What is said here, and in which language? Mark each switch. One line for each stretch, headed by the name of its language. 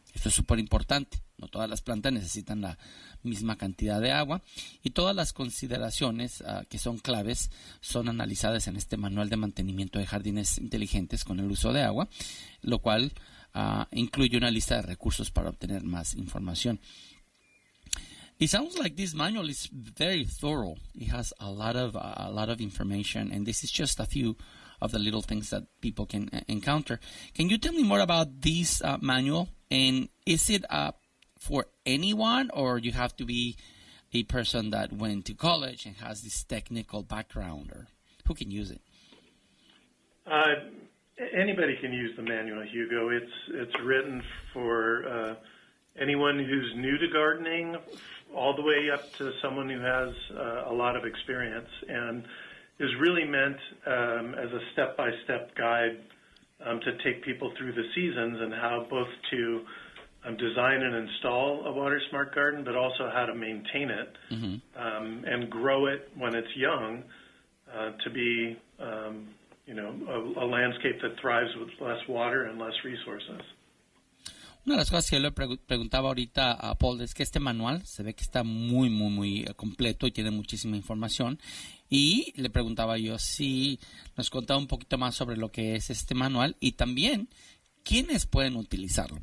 Spanish: Esto es súper importante. No todas las plantas necesitan la misma cantidad de agua. Y todas las consideraciones que son claves son analizadas en este manual de mantenimiento de jardines inteligentes con el uso de agua, lo cual incluye una lista de recursos para obtener más información.
English: It sounds like this manual is very thorough. It has a lot of information, and this is just a few of the little things that people can encounter. Can you tell me more about this manual? And is it for anyone, or you have to be a person that went to college and has this technical background, or who can use it? Anybody can use the manual, Hugo. It's written for anyone who's new to gardening, all the way up to someone who has a lot of experience, and is really meant as a step-by-step guide to take people through the seasons and how both to design and install a water smart garden, but also how to maintain it and grow it when it's young to be a landscape that thrives with less water and less resources.
Spanish: Una de las cosas que yo le preguntaba ahorita a Paul es que este manual se ve que está muy, muy, muy completo y tiene muchísima información. Y le preguntaba yo si nos contaba un poquito más sobre lo que es este manual y también quiénes pueden utilizarlo.